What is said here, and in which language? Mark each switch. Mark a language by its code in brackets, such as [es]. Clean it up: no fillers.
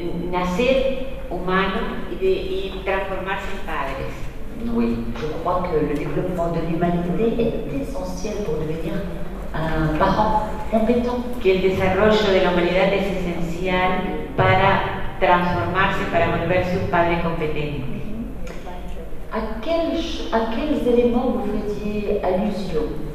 [es] nacer humano y transformarse en padres. [fr] Oui, je crois que le développement de l'humanité est essentiel pour devenir un parent compétent. [es] Que el desarrollo de la humanidad es esencial para transformarse, para volverse un padre competente. [fr] À quels éléments vous faisiez allusion?